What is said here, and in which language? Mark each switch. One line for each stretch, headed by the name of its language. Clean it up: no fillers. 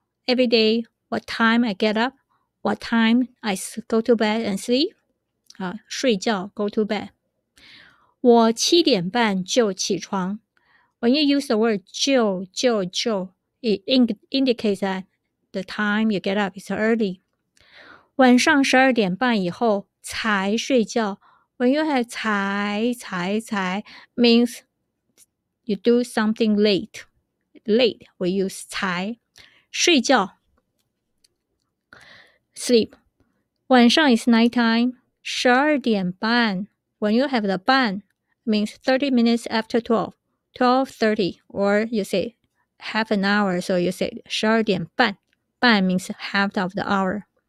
English: every day, what time I get up, what time I go to bed and sleep.
Chinese: 睡觉,
English: go to bed.
Chinese: 我七点半就起床。
English: When you use the word 就, it indicates that the time you get up is early.
Chinese: 晚上十二点半以后才睡觉。
English: When you have 才 means you do something late. Late, we use 才。睡觉 sleep. 晚上 is night time. 十二点半 when you have the 半 means 30 minutes after 12:30, or you say half an hour, so you say 十二点半 半 means half of the hour.